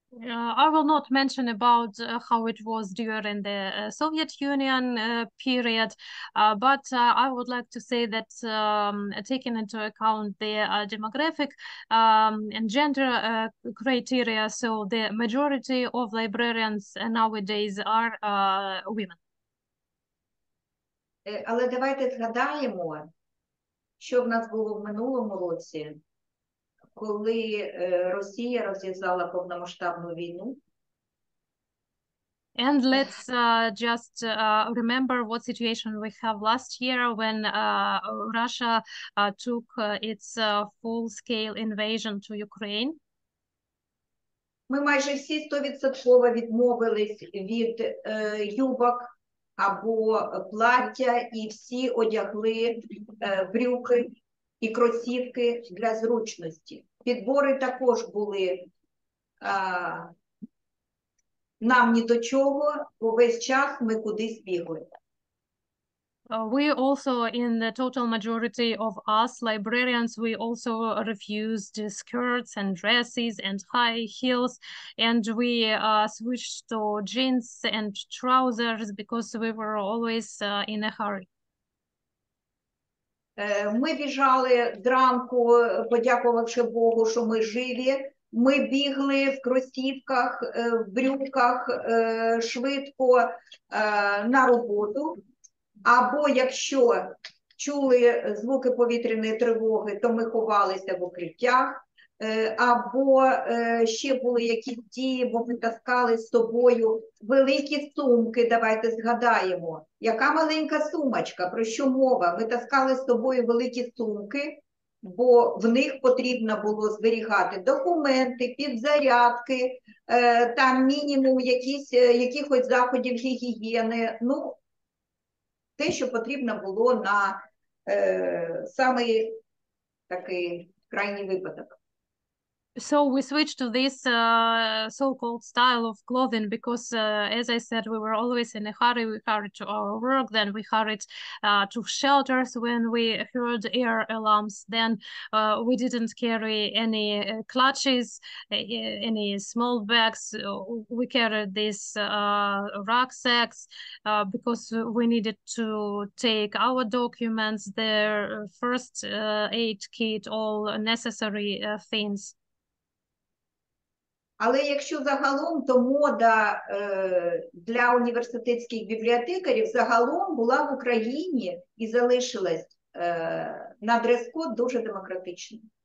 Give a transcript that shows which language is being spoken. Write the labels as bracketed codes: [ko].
[en] I will not mention about how it was during the Soviet Union period, but I would like to say that taking into account the demographic and gender criteria, so the majority of librarians nowadays are women. [uk] Але давайте згадаємо, що в нас було в минулому році, коли Росія розв'язала повномасштабну війну. [en] And let's just remember what situation we have last year when Russia took its full-scale invasion to Ukraine. [uk] Ми майже всі 100% відмовились від юбок або плаття, і всі одягли брюки і кросівки для зручності. Підбори також були нам ні до чого, бо весь час ми кудись бігли. [en] We also, in the total majority of us librarians, we also refused skirts and dresses and high heels, and we switched to jeans and trousers because we were always in a hurry. [uk] Ми біжали зранку, подякувавши Богу, що ми живі. Ми бігли в кросівках, в брюках, швидко на роботу. Або якщо чули звуки повітряної тривоги, то ми ховалися в укриттях. Або ще були якісь дії, бо ми таскали з собою великі сумки, давайте згадаємо. Яка маленька сумочка, про що мова? Ми таскали з собою великі сумки, бо в них потрібно було зберігати документи, підзарядки, там мінімум якихось заходів гігієни, ну, те, що потрібно було на самий такий крайній випадок. [en] So we switched to this so-called style of clothing because, as I said, we were always in a hurry. We hurried to our work, then we hurried to shelters when we heard air alarms. Then we didn't carry any clutches, any small bags. We carried these rucksacks because we needed to take our documents, their first aid kit, all necessary things. [uk] Але якщо загалом, то мода для університетських бібліотекарів загалом була в Україні і залишилась на дрес-код дуже демократичним.